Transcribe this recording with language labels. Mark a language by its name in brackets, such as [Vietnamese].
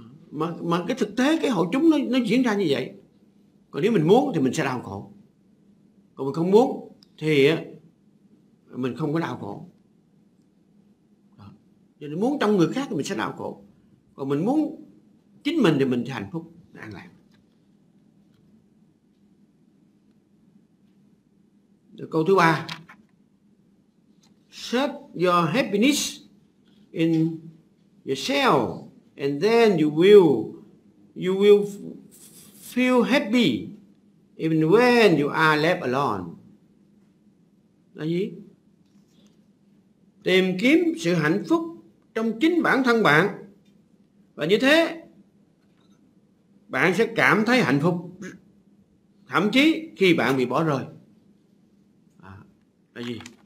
[Vietnamese] Mà cái thực tế cái hội chúng nó diễn ra như vậy. Còn nếu mình muốn thì mình sẽ đau khổ. Còn mình không muốn thì mình không có đau khổ. Cho nên muốn trong người khác thì mình sẽ đau khổ. Còn mình muốn chính mình thì mình sẽ hạnh phúc, an lạc. Câu thứ 3: [English] Set your happiness in yourself and then you will feel happy even when you are left alone. [Vietnamese] Là gì? Tìm kiếm sự hạnh phúc trong chính bản thân bạn, và như thế bạn sẽ cảm thấy hạnh phúc thậm chí khi bạn bị bỏ rơi. Là gì?